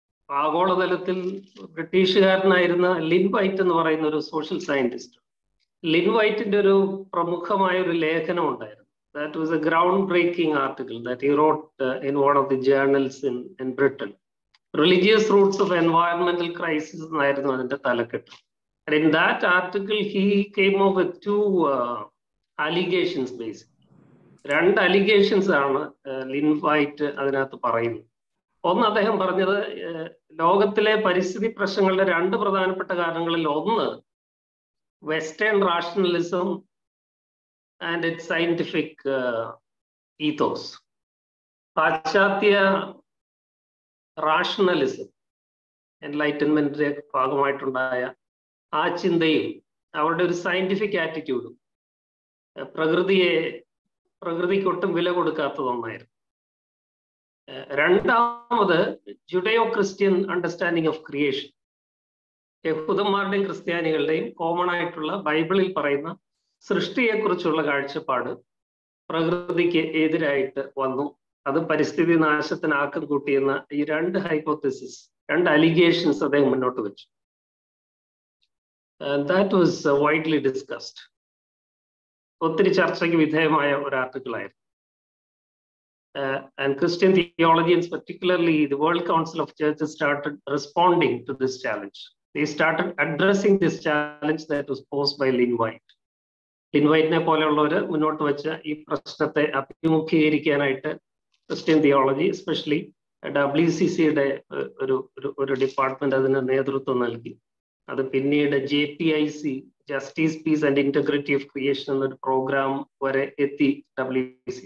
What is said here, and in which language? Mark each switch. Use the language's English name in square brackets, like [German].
[Malayalam] ആഗോളതലത്തിൽ ബ്രിട്ടീഷുകാരനായിരുന്ന Lin white എന്ന് പറയുന്ന ഒരു സോഷ്യൽ സയന്റിസ്റ്റ്, ലിൻ വൈറ്റിന്റെ ഒരു പ്രമുഖമായ ഒരു ലേഖനം ഉണ്ടായിരുന്നു, [English] That was A ground breaking article that he wrote in one of the journals in Britain. [Malayalam] Religious roots of എൻവയോൺമെന്റൽ crisis എന്നായിരുന്നു അതിന്റെ തലക്കെട്ട്. [English] And in that article, he came up with two allegations, basically. [Malayalam] രണ്ട് allegations ആണ് Lin white അതിനകത്ത് പറയുന്നത്. ഒന്ന്, അദ്ദേഹം പറഞ്ഞത് ലോകത്തിലെ പരിസ്ഥിതി പ്രശ്നങ്ങളുടെ രണ്ട് പ്രധാനപ്പെട്ട കാരണങ്ങളിൽ ഒന്ന് [English] Western rationalism and it scientific ethos. [Malayalam] പാശ്ചാത്യ റാഷണലിസം എൻലൈറ്റൻമെന്റിന്റെ ഭാഗമായിട്ടുണ്ടായ ആ ചിന്തയും അവരുടെ ഒരു സയന്റിഫിക് ആറ്റിറ്റ്യൂഡും പ്രകൃതിയെ പ്രകൃതിക്കൊട്ടും വില കൊടുക്കാത്തതൊന്നായിരുന്നു. രണ്ടാമത് [English] Judeo Christian understanding of creation, [Malayalam] യഹൂദന്മാരുടെയും ക്രിസ്ത്യാനികളുടെയും common ആയിട്ടുള്ള ബൈബിളിൽ പറയുന്ന സൃഷ്ടിയെക്കുറിച്ചുള്ള കാഴ്ചപ്പാട് പ്രകൃതിക്ക് എതിരായിട്ട് വന്നു. അത് പരിസ്ഥിതി നാശത്തിന് ആക്കം കൂട്ടിയെന്ന ഈ രണ്ട് ഹൈപ്പോത്തിസിസ്, രണ്ട് അലിഗേഷൻസ് അദ്ദേഹം മുന്നോട്ട് വെച്ചു. [English] That was widely discussed. [Malayalam] ഒത്തിരി ചർച്ചയ്ക്ക് വിധേയമായ ഒരു ആർട്ടിക്കിളായിരുന്നു. [English] And Christian theologians, particularly the World Council of Churches, started responding to this challenge. They started addressing this challenge that was posed by Lin White. [Malayalam] Lin White-നെ പോലെയുള്ളവർ മുന്നോട്ട് വെച്ച ഈ പ്രശ്നത്തെ അഭിമുഖീകരിക്കാനായിട്ട് ക്രിസ്ത്യൻ തിയോളജി, എസ്പെഷ്യലി WCC ഒരു ഒരു ഡിപ്പാർട്ട്മെന്റ് അതിന് നേതൃത്വം നൽകി. അത് പിന്നീട് JPIC, justice piece and integrity of creation എന്നൊരു പ്രോഗ്രാം വരെ എത്തി WCC.